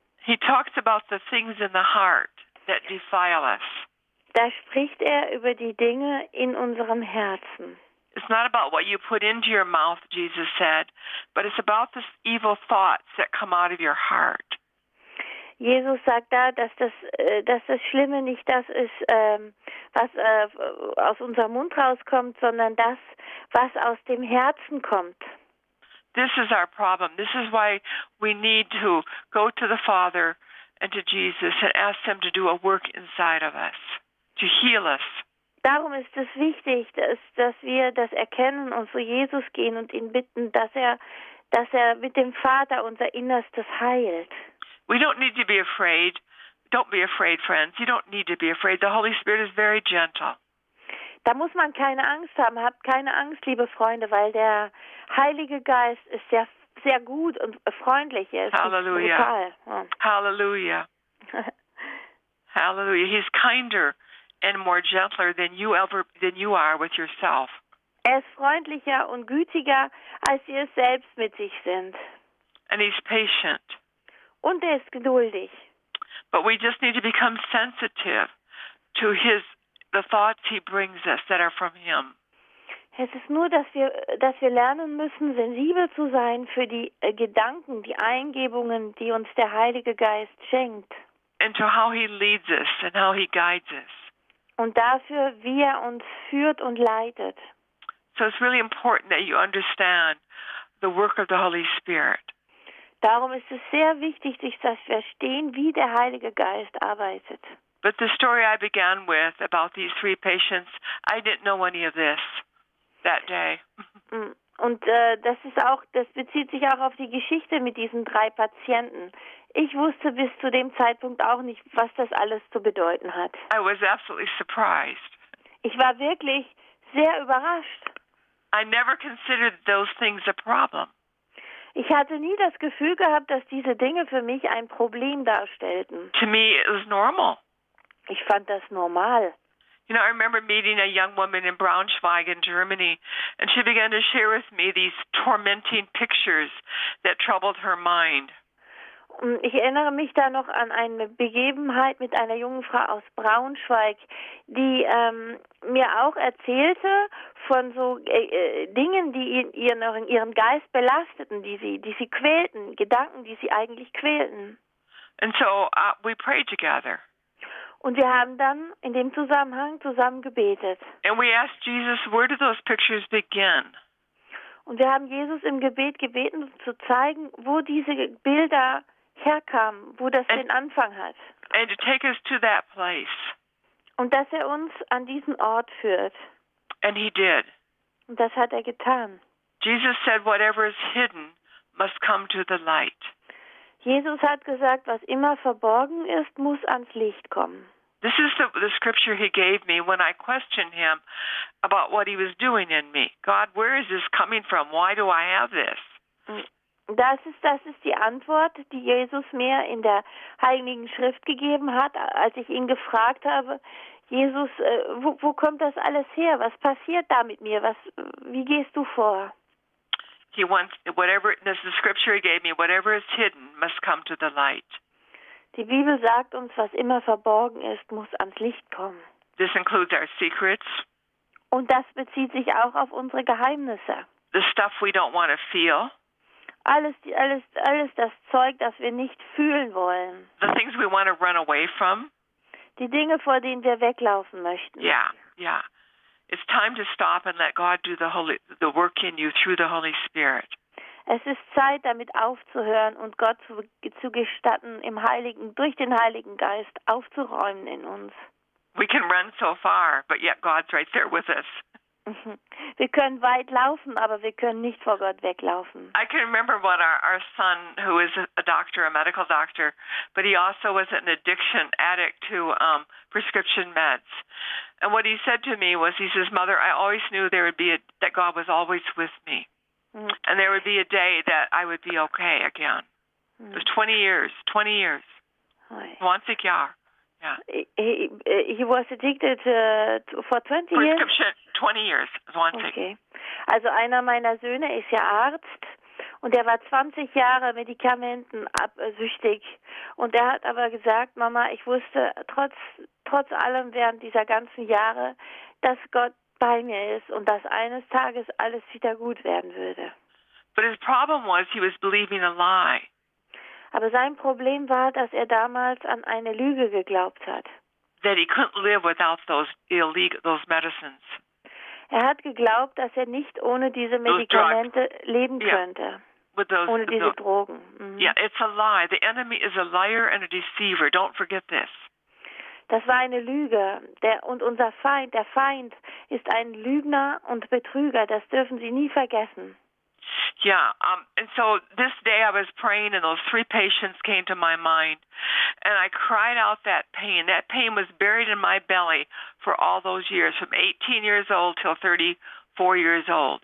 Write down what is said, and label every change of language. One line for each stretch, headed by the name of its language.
English: He talks about the things in the heart that defile us.
German: Da spricht er über die Dinge in unserem Herzen.
English: It's not about what you put into your mouth, Jesus said, but it's about the evil thoughts that come out of your heart.
German: Jesus sagt da, dass das Schlimme nicht das ist, was aus unserem Mund rauskommt, sondern das, was aus dem Herzen kommt.
English: This is our problem. This is why we need to go to the Father and to Jesus and ask them to do a work inside of us, to heal us.
German: Darum ist es wichtig, dass wir das erkennen und zu Jesus gehen und ihn bitten, dass er mit dem Vater unser Innerstes heilt.
English: We don't need to be afraid. Don't be afraid, friends. You don't need to be afraid. The Holy Spirit is very gentle.
German: Da muss man keine Angst haben. Habt keine Angst, liebe Freunde, weil der Heilige Geist ist sehr, sehr gut und freundlich. Er ist Halleluja. Halleluja. Halleluja.
English: He's kinder and more gentler than you are with yourself.
German: Er ist freundlicher und gütiger, als ihr selbst mit sich sind.
English: And he's patient.
German: Und er ist geduldig.
English: But we just need to become sensitive to the thoughts he brings us that are from him.
German: Es ist nur, dass wir lernen müssen, sensibel zu sein für die Gedanken, die Eingebungen, die uns der Heilige Geist schenkt.
English: And to how he leads us and how he guides us.
German: Und dafür, wie er uns führt und leitet.
English: So it's really important that you understand the work of the Holy Spirit.
German: Darum ist es sehr wichtig, sich zu verstehen, wie der Heilige Geist arbeitet.
English: But the story I began with about these three patients, I didn't know any of this that day.
German: Und das bezieht sich auch auf die Geschichte mit diesen drei Patienten. Ich wusste bis zu dem Zeitpunkt auch nicht, was das alles zu bedeuten hat.
English: I was absolutely surprised.
German: Ich war wirklich sehr überrascht.
English: I never considered those things a problem.
German: Ich hatte nie das Gefühl gehabt, dass diese Dinge für mich ein Problem darstellten.
English: To me it was normal.
German: Ich fand das normal.
English: You know, I remember meeting a young woman in Braunschweig in Germany, and she began to share with me these tormenting pictures that troubled her mind.
German: Ich erinnere mich da noch an eine Begebenheit mit einer jungen Frau aus Braunschweig, die mir auch erzählte von so Dingen, die ihren Geist belasteten, die sie quälten, Gedanken, die sie eigentlich quälten.
English: And so we prayed together.
German: Und wir haben dann in dem Zusammenhang zusammen gebetet.
English: And we asked Jesus, where do those pictures begin?
German: Und wir haben Jesus im Gebet gebeten, zu zeigen, wo diese Bilder herkamen, wo das den Anfang hat.
English: And to take us to that place.
German: Und dass er uns an diesen Ort führt.
English: And he did.
German: Und das hat er getan.
English: Jesus said, whatever is hidden must come to the light.
German: Jesus hat gesagt, was immer verborgen ist, muss ans Licht kommen.
English: This is the scripture he gave me when I questioned him about what he was doing in me. God, where is this coming from? Why do I have this?
German: Das ist die Antwort, die Jesus mir in der Heiligen Schrift gegeben hat, als ich ihn gefragt habe, Jesus, wo kommt das alles her? Was passiert da mit mir? Wie gehst du vor?
English: He wants whatever, this is the scripture he gave me, whatever is hidden must come to the light.
German: Die Bibel sagt uns, was immer verborgen ist, muss ans Licht kommen.
English: This includes our secrets.
German: Und das bezieht sich auch auf unsere Geheimnisse.
English: The stuff we don't want to feel.
German: Alles das Zeug, das wir nicht fühlen wollen.
English: The things we want to run away from.
German: Die Dinge, vor denen wir weglaufen möchten.
English: Yeah. It's time to stop and let God do the work in you through the Holy Spirit.
German: Es ist Zeit, damit aufzuhören und Gott zu gestatten, im Heiligen, durch den Heiligen Geist aufzuräumen in uns.
English: We can run so far, but yet God's right there with us.
German: Wir können weit laufen, aber wir können nicht vor Gott weglaufen.
English: I can remember what our son, who is a doctor, a medical doctor, but he also was an addict to prescription meds. And what he said to me was, he says, Mother, I always knew there would be that God was always with me. And there would be a day that I would be okay again. It was 20 years. Once a year. He was addicted for 20 years? Prescription, 20 years. Once okay.
German: Also einer meiner Söhne ist ja Arzt und er war 20 Jahre medikamentensüchtig. Und er hat aber gesagt, Mama, ich wusste trotz allem während dieser ganzen Jahre, dass Gott bei mir ist und dass eines Tages alles wieder gut werden würde.
English: But his problem was, he was believing a lie.
German: Aber sein Problem war, dass er damals an eine Lüge geglaubt hat.
English: That he couldn't live without those medicines.
German: Er hat geglaubt, dass er nicht ohne diese Medikamente leben könnte. Ohne diese Drogen.
English: Mm-hmm. Yeah, it's a lie. The enemy is a liar and a deceiver. Don't forget this.
German: Das war eine Lüge. Und unser Feind, der Feind, ist ein Lügner und Betrüger. Das dürfen Sie nie vergessen.
English: Yeah, and so this day I was praying and those three patients came to my mind. And I cried out that pain. That pain was buried in my belly for all those years, from 18 years old till 34 years old.